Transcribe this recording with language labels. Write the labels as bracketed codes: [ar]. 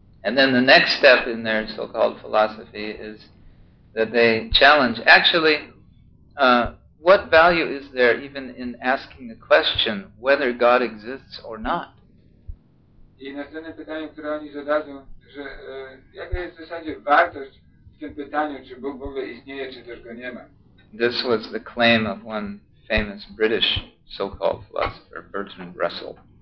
[en] And then the next step in their so-called philosophy is that they challenge, actually, what value is there even in asking the question whether God exists or not? [pl] I następne pytanie, które oni zadają, że jaka jest w zasadzie wartość w tym pytaniu, czy Bóg w ogóle istnieje, czy też go nie ma? [en] This was the claim of one famous British so-called philosopher, Bertrand Russell.